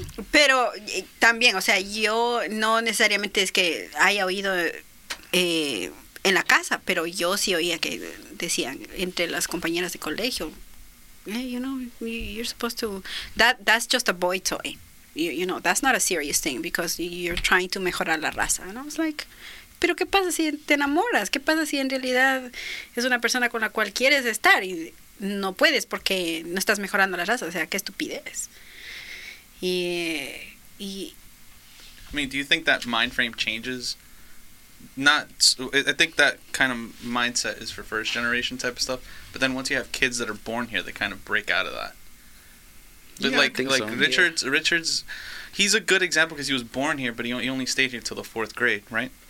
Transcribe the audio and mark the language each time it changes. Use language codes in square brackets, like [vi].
[es] Pero también, o sea, yo no necesariamente es que haya oído en la casa, pero yo sí oía que decían entre las compañeras de colegio, hey, you know, you're supposed to, that's just a boy toy. [en] You know, that's not a serious thing because you're trying to mejorar la raza. [es] And I was like, ¿pero qué pasa si te enamoras? ¿Qué pasa si en realidad es una persona con la cual quieres estar? Y no puedes porque no estás mejorando la raza. O sea, qué estupidez. Y [en] I mean, do you think that mind frame changes? Not, I think that kind of mindset is for first generation type of stuff. But then once you have kids that are born here, they kind of break out of that. But yeah, like, I think like so. Richard's, yeah. Richard's, he's a good example because he was born here, but he only stayed here till the fourth grade, right?